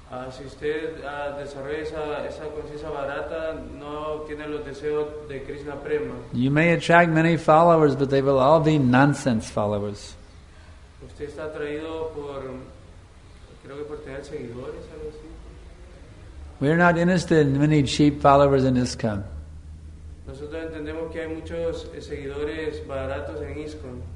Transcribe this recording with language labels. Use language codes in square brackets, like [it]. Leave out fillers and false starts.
[es] Si usted desarrolla esa conciencia barata, no tiene los deseos de Krishna prema. [en] You may attract many followers, but they will all be nonsense followers. [es] Usted está atraído por, creo que por tener seguidores, algo así. [en] We are not interested in many cheap followers in ISKCON. [es] Nosotros entendemos que hay muchos seguidores baratos en ISKCON.